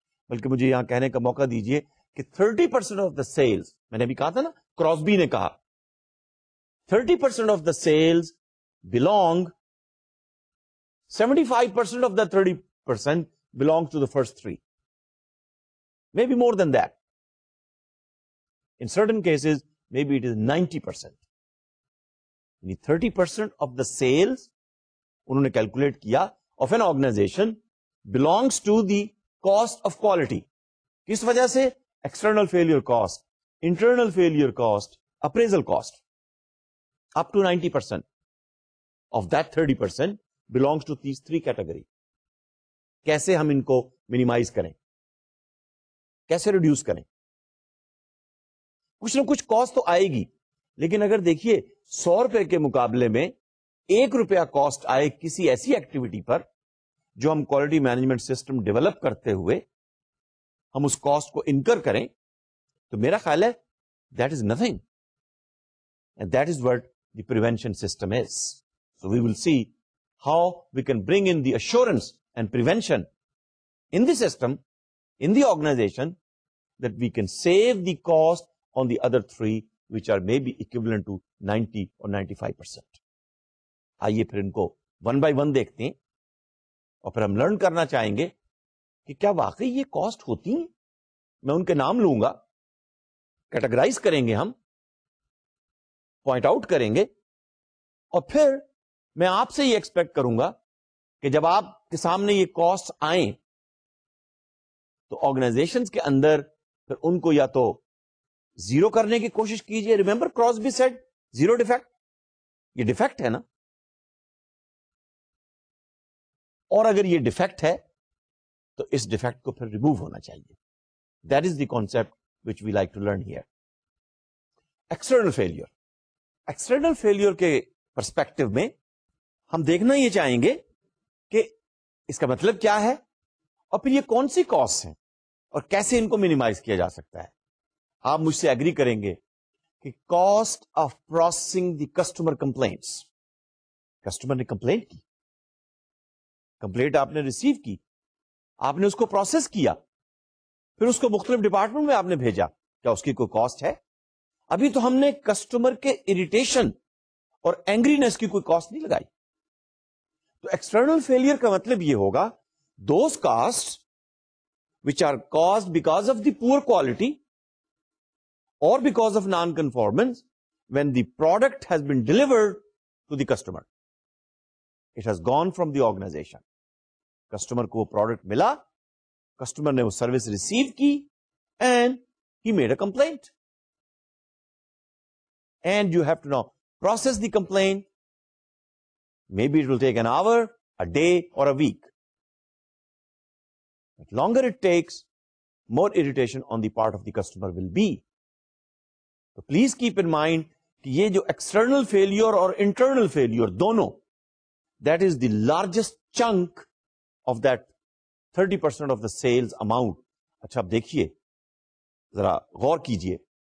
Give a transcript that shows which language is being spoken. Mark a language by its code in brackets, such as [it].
[ur] بلکہ مجھے یہاں کہنے کا موقع دیجئے کہ [en] 30% of the sales, [ur] میں نے بھی کہا تھا نا, کراسبی نے کہا [en] 30% of the sales belong, 75% of the 30% belong to the first three, may be more than that, in certain cases may be it is 90%. 30% of the sales [ur] انہوں نے [en] Calculate کیا of an organization belongs to the cost of quality. [ur] کس وجہ سے؟ [en] External failure cost, internal failure cost, appraisal cost. Up to 90% of that 30% belongs to these three category. [ur] کیسے ہم ان کو minimize کریں, کیسے reduce کریں؟ کچھ نہ کچھ cost تو آئے گی, لیکن اگر دیکھیے 100 روپے کے مقابلے میں 1 روپیہ cost آئے کسی ایسی activity پر جو ہم کوالٹی مینجمنٹ سسٹم ڈیولپ کرتے ہوئے ہم اس کاسٹ کو انکر کریں, تو میرا خیال ہے [en] That is nothing, and that is what the prevention system is. So we will see how we can bring in the assurance and prevention in the system in the organization that we can save the cost on the other three which are may be equivalent to 90 or 95%. [ur] آئیے پھر ان کو one by one دیکھتے ہیں اور پھر ہم learn کرنا چاہیں گے کہ کیا واقعی یہ کاسٹ ہوتی ہیں. میں ان کے نام لوں گا, کیٹاگرائز کریں گے ہم, پوائنٹ آؤٹ کریں گے, اور پھر میں آپ سے یہ ایکسپیکٹ کروں گا کہ جب آپ کے سامنے یہ کاسٹ آئیں تو آرگنائزیشنز کے اندر پھر ان کو یا تو زیرو کرنے کی کوشش کیجئے. [en] remember Crosby said zero defect, [ur] یہ ڈیفیکٹ ہے نا, اور اگر یہ ڈیفیکٹ ہے تو اس ڈیفیکٹ کو پھر ریموو ہونا چاہیے. [en] That is the concept which we like to learn here. [ur] External failure, external failure کے پرسپیکٹو میں ہم دیکھنا یہ چاہیں گے کہ اس کا مطلب کیا ہے, اور پھر یہ کون سی کاسٹ ہیں اور کیسے ان کو منیمائز کیا جا سکتا ہے. آپ مجھ سے اگری کریں گے کہ [en] cost of processing the customer complaints, [ur] customer نے کمپلین کی, کمپلیٹ آپ نے ریسیو کی, آپ نے اس کو پروسیس کیا, پھر اس کو مختلف ڈپارٹمنٹ میں آپ نے بھیجا, کیا اس کی کوئی کاسٹ ہے؟ ابھی تو ہم نے کسٹمر کے اریٹیشن اور اینگرینس کی کوئی کاسٹ نہیں لگائی. تو ایکسٹرنل فیلئر کا مطلب یہ ہوگا [en] Those cost which are caused because of the poor quality اور because of non conformance when the product has been delivered to the customer. It has gone from the organization. Customer [ur] کو وہ product ملا customer نے وہ service receive کی [en] and he made a complaint and you have to now process the complaint may be it will take an hour a day or a week longer it takes more irritation on the part of the customer will be تو please keep in mind [ur] کہ یہ جو external failure اور internal failure دونوں [en] that is the largest chunk of that 30% of the sales amount [ur] اچھا آپ دیکھیے ذرا غور کیجئے